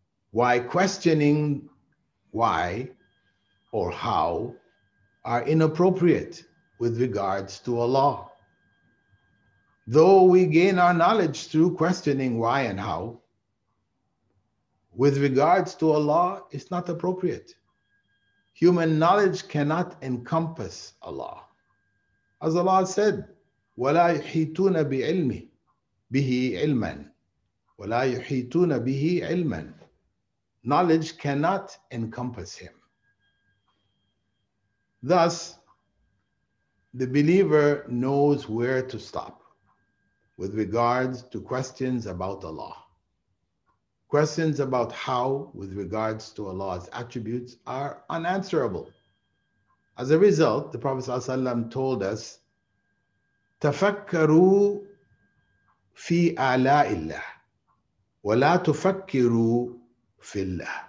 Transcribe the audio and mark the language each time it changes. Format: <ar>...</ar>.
<en>Why questioning why or how are inappropriate with regards to Allah. Though we gain our knowledge through questioning why and how, with regards to Allah, it's not appropriate. Human knowledge cannot encompass Allah. As Allah said,</en> <ar>وَلَا يُحِيطُونَ بِعِلْمِ بِهِ عِلْمًا وَلَا يُحِيطُونَ بِهِ عِلْمًا.</ar> <en>Knowledge cannot encompass him. Thus, the believer knows where to stop with regards to questions about Allah. Questions about how, with regards to Allah's attributes, are unanswerable. As a result, the Prophet ﷺ told us,</en> <ar>تَفَكَّرُوا فِي أَعْلَاءِ اللَّهِ وَلَا تُفَكِّرُوا فِي اللَّهِ.</ar>